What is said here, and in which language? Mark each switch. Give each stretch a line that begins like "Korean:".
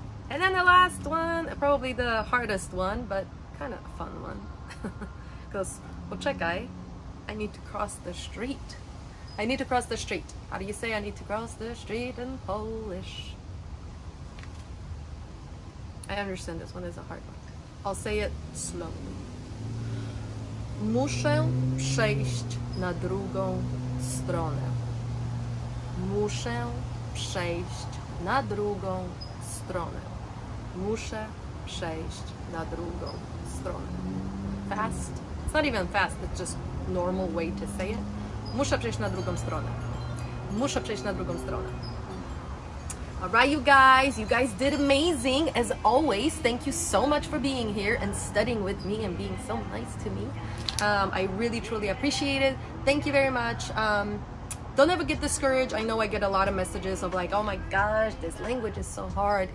English: And then the last one, probably the hardest one, but kind of a fun one. Because
Polish: poczekaj,
English: I need to cross the street. I need to cross the street. How do you say I need to cross the street in Polish? I understand this one is a hard one. I'll say it slowly.
Polish: Muszę przejść na drugą stronę. Muszę przejść na drugą stronę. Muszę przejść na drugą stronę.
English: Fast. It's not even fast, it's just normal way to say it.
Polish: Muszę przejść na drugą stronę. Muszę przejść na drugą stronę.
English: Alright, you guys did amazing as always. Thank you so much for being here and studying with me and being so nice to me. I really truly appreciate it. Thank you very much. Don't ever get discouraged. I know I get a lot of messages of like, oh my gosh, this language is so hard.